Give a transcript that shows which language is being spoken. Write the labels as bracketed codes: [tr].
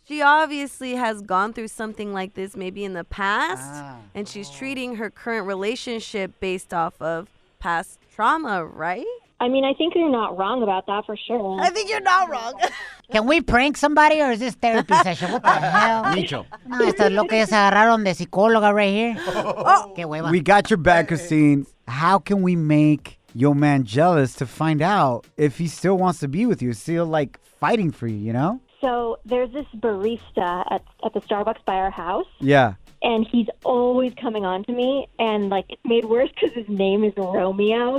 [en] She obviously has gone through something like this maybe in the past. And she's treating her current relationship based off of past trauma, right? I mean, I think you're not wrong about that for sure. I think you're not wrong. Can we prank somebody or is this therapy session? What the hell? Micho. [es] No, esto es lo que se agarraron de psicóloga [en] right here. Oh. [es] Qué hueva. [en] We got your back, Christine. How can we make your man jealous to find out if he still wants to be with you, still like fighting for you, you know? So there's this barista at the Starbucks by our house. Yeah. And he's always coming on to me. And like, it's made worse because his name is Romeo.